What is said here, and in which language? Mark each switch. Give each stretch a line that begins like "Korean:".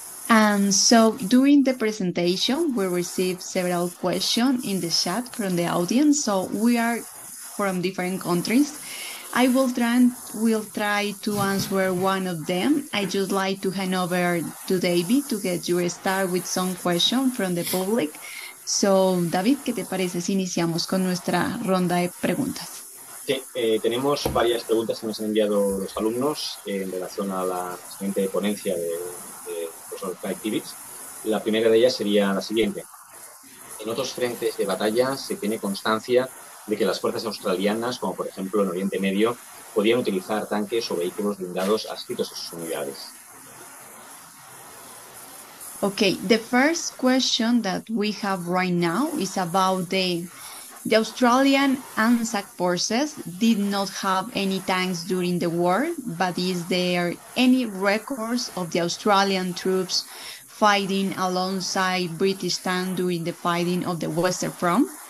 English: And so during the presentation, we received several questions in the chat from the audience. So we are from different countries. I will try to answer one of them. I just like to hand over to David to get you started with some questions from the public.
Spanish: So, David, ¿qué te parece si iniciamos con nuestra ronda de preguntas? Sí, tenemos varias preguntas que nos han enviado los alumnos en relación a la siguiente ponencia de profesor Kaitivitz. La primera de ellas sería la siguiente. En otros frentes de batalla se tiene constancia de que las fuerzas australianas, como por ejemplo en Oriente Medio, podían utilizar tanques o vehículos blindados adscritos a sus unidades.
English: Okay, the first question that we have right now is about the Australian ANZAC forces did not have any tanks during the war, but is there any records of the Australian troops fighting alongside British tanks during the fighting of the Western Front?